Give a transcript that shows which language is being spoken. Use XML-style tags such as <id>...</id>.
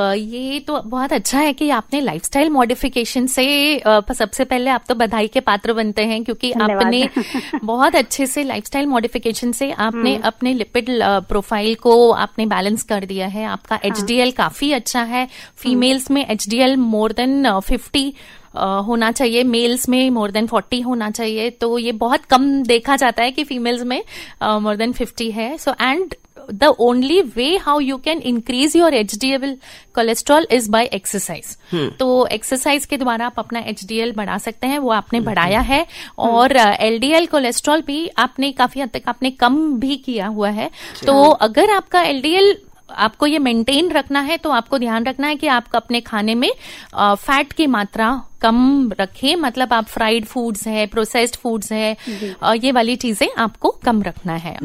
<hi>ये तो बहुत अच्छा है कि आपने लाइफस्टाइल मॉडिफिकेशन से सबसे पहले आप तो बधाई के पात्र बनते हैं क्योंकि आपने बहुत अच्छे से लाइफस्टाइल मॉडिफिकेशन से आपने अपने लिपिड प्रोफाइल को आपने बैलेंस कर दिया है। आपका एचडीएल काफी अच्छा है, फीमेल्स में एचडीएल मोर देन 50 होना चाहिए, मेल्स में मोर देन 40 होना चाहिए, तो ये बहुत कम देखा जाता है कि फीमेल्स में मोर देन 50 है।</hi> <en>So and the only way how you can increase your HDL cholesterol is by exercise.</en> <hi>तो exercise के द्वारा आप अपना HDL बढ़ा सकते हैं, वो आपने बढ़ाया है, और LDL cholesterol भी आपने काफी हद तक आपने कम भी किया हुआ है। तो अगर आपका LDL आपको ये मेंटेन रखना है तो आपको ध्यान रखना है कि आप अपने खाने में फैट की मात्रा कम रखें, मतलब आप फ्राइड फूड्स है, प्रोसेस्ड फूड्स है, ये वाली चीजें आपको कम रखना है।</hi>